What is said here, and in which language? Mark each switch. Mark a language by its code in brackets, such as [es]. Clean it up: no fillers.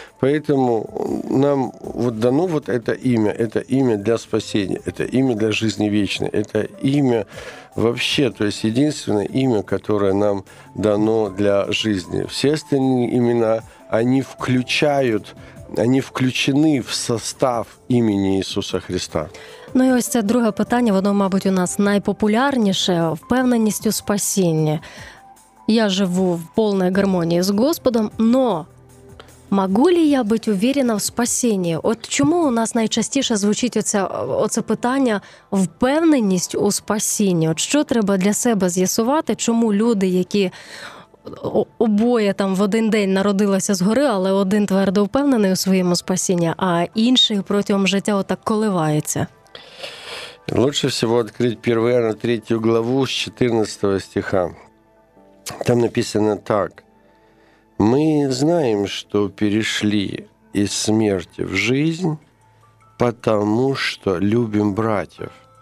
[ru] Поэтому нам вот дано вот это имя для спасения, это имя для жизни вечной, это имя вообще, то есть единственное имя, которое нам дано для жизни. Все остальные имена, они включены в состав имени Ісуса Христа. [uk] Ну і ось це друге питання, воно, мабуть, у нас найпопулярніше – впевненість у спасінні. Я живу в повній гармонії з Господом, [ru] но могу ли я [uk] бути [ru] уверена [uk] в спасінні? От чому у нас найчастіше звучить оце питання «впевненість у спасінні»? От що треба для себе з'ясувати, чому люди, які обоє там в один день народилося згори, але один твердо впевнений у своєму спасінні, а інший протягом життя отак коливається. [ru] Лучше всего открыть 1 Иоанна 3 главу с 14 стиха. Там написано так. «Мы знаем, что перешли из смерти в жизнь, потому что любим братьев».